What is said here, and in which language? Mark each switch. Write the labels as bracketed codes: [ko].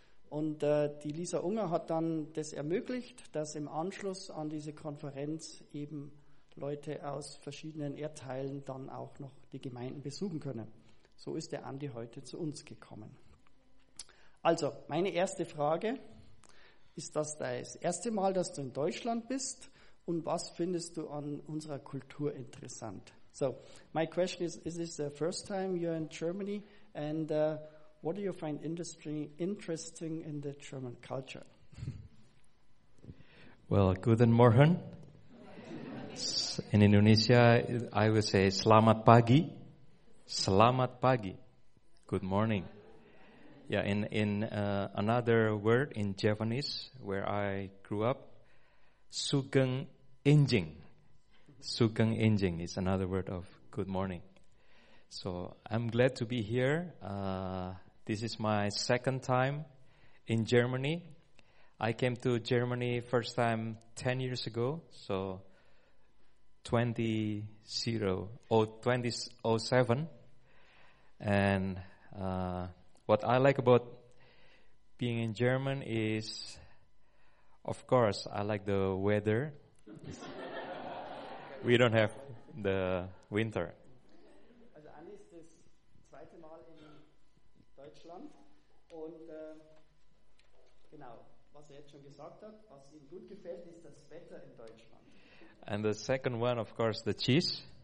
[de] Und die Lisa Unger hat dann das ermöglicht, dass im Anschluss an diese Konferenz eben Leute aus verschiedenen Erdteilen dann auch noch die Gemeinden besuchen können. So ist der Andi heute zu uns gekommen. Also, meine erste Frage, ist das das erste Mal, dass du in Deutschland bist und was findest du an unserer Kultur interessant? [en] So, my question is this the first time you're in Germany and what do you find interesting in the German culture? Well, [de] guten Morgen. [en] In Indonesia, I would say [id] selamat pagi. Selamat pagi. [en] Good morning. Yeah, in another word in Japanese where I grew up, [jv] sugeng enjing. Sugeng enjing [en] is another word of good morning. So I'm glad to be here. This is my second time in Germany. I came to Germany first time 10 years ago, so 2007. And what I like about being in German is, of course, I like the weather. We don't have the winter. [de] Also Andi ist das zweite Mal in Deutschland. Und genau, was jetzt schon gesagt hat, was ihm gut gefällt, ist das Wetter in Deutschland. [en] And the second one, of course, the cheese.